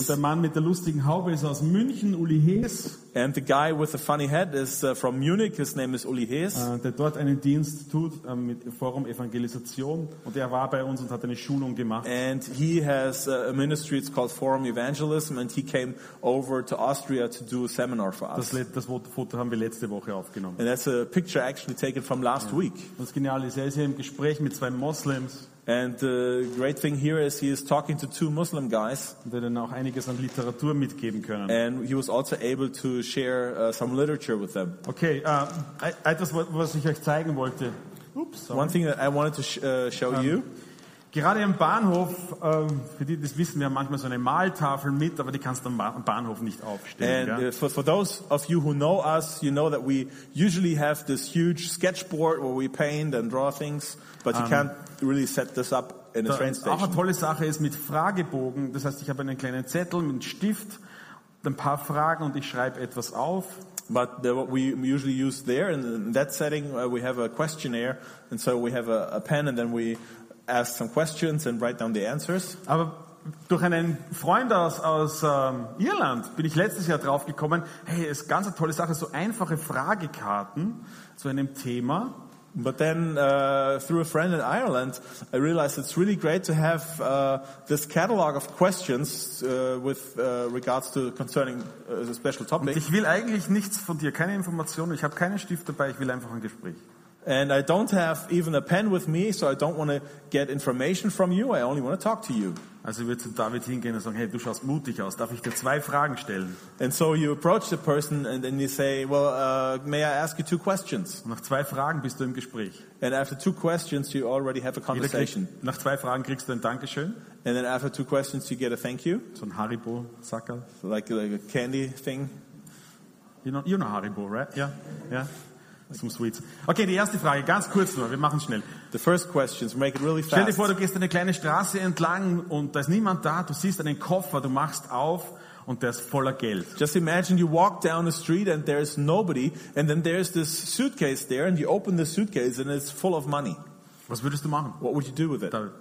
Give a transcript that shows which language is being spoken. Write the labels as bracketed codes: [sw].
[de] Und der Mann mit der lustigen Haube ist aus München, Uli Hees. [en] And the guy with the funny head is from Munich. His name is Uli Hees. [de] Der dort einen Dienst tut mit Forum Evangelisation. Und er war bei uns und hat eine Schulung gemacht. [en] And he has a ministry. It's called Forum Evangelism. And he came over to Austria to do a seminar for us. [de] Das Foto haben wir letzte Woche aufgenommen. [en] And that's a picture actually taken from last week. [de] Das Geniale ist, er ist hier im Gespräch mit zwei Moslems. [en] And the great thing here is he is talking to two Muslim guys. [de] Der dann auch einiges an Literatur mitgeben können. [en] And he was also able to share some literature with them. [de] Okay, etwas, was ich euch zeigen wollte. Oops, [en] one thing that I wanted to show you. [de] Gerade im Bahnhof, für die das wissen, wir haben manchmal so eine Maltafel mit, aber die kannst du am Bahnhof nicht aufstellen. [en] And for those of you who know us, you know that we usually have this huge sketchboard where we paint and draw things, but you can't really set this up in a train station. [de] Auch eine tolle Sache ist mit Fragebogen, das heißt, ich habe einen kleinen Zettel mit einem Stift, ein paar Fragen und ich schreibe etwas auf. [en] But what we usually use there, in that setting, we have a questionnaire, and so we have a pen and then we ask some questions and write down the answers. [de] Aber durch einen Freund aus Irland bin ich letztes Jahr drauf gekommen, hey, ist ganz eine tolle Sache, so einfache Fragekarten zu einem Thema. [en] But then through a friend in Ireland, I realized it's really great to have this catalog of questions with regards to concerning a special topic. [de] Und ich will eigentlich nichts von dir, keine Informationen, ich habe keinen Stift dabei, ich will einfach ein Gespräch. [en] And I don't have even a pen with me, so I don't want to get information from you. I only want to talk to you. [de] Also, wir zu David hingehen und sagen, hey, du schaust mutig aus. Darf ich dir zwei Fragen stellen? [en] And so you approach the person and then you say, well, may I ask you two questions? [de] Und nach zwei Fragen bist du im Gespräch. [en] And after two questions, you already have a conversation. [de] Nach zwei Fragen kriegst du ein Dankeschön. [en] And then after two questions, you get a thank you. [de] So ein Haribo Sackerl. [en] Like a candy thing. You know Haribo, right? Yeah, yeah. Some sweets. [de] Okay, die erste Frage, ganz kurz nur, wir machen schnell. [en] The first questions, make it really fast. [de] Stell dir vor, du gehst eine kleine Straße entlang und da ist niemand da, du siehst einen Koffer, du machst auf und der ist voller Geld. [en] Just imagine you walk down the street and there is nobody and then there is this suitcase there and you open the suitcase and it's full of money. [de] Was würdest du machen? [en] What would you do with it?